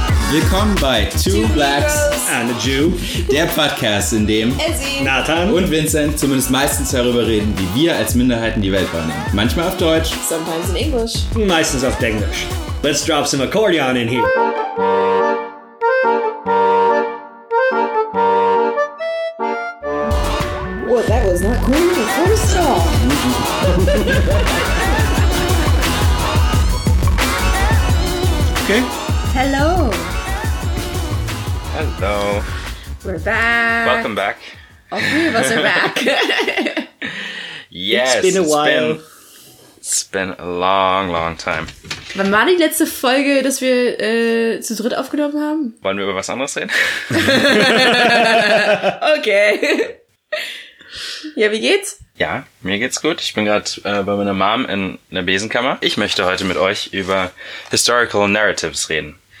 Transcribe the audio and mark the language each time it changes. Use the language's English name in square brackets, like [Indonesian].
[German] Willkommen bei Two Blacks [English] and a Jew, [German] der Podcast, in dem Ezzie, Nathan und Vincent zumindest meistens darüber reden, wie wir als Minderheiten die Welt wahrnehmen. Manchmal auf Deutsch, [English] sometimes in English, [German] meistens auf Englisch. [English] Let's drop some accordion in here. What, that was not cool the first song. Okay. Hello. Hello. We're back. Welcome back. All three of us are back. Yes. It's been a while. It's been a long, long time. [German] Wann war die letzte Folge, dass wir zu dritt aufgenommen haben? Wollen wir über was anderes reden? Okay. Ja, wie geht's? Ja, mir geht's gut. Ich bin gerade bei meiner Mom in der Besenkammer. Ich möchte heute mit euch über Historical Narratives reden.